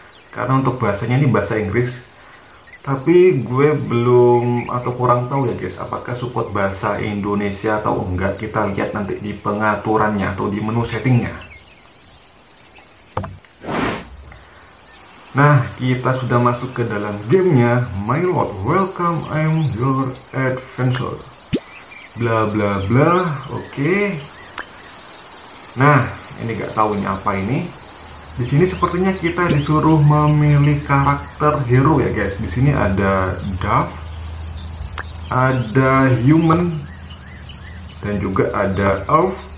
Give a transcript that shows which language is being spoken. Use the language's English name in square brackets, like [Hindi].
[Indonesian] Karena untuk bahasanya ini bahasa Inggris. Tapi gue belum atau kurang tahu ya, guys, apakah support bahasa Indonesia atau enggak. Kita lihat nanti di pengaturannya atau di menu settingnya. Nah, kita sudah masuk ke dalam gamenya. [English] My Lord, welcome, I'm your adventurer. Bla bla bla, oke. [Indonesian] Nah, ini gak tahu ini apa ini. Di sini sepertinya kita disuruh memilih karakter hero ya guys. Di sini ada dwarf, ada human, dan juga ada elf.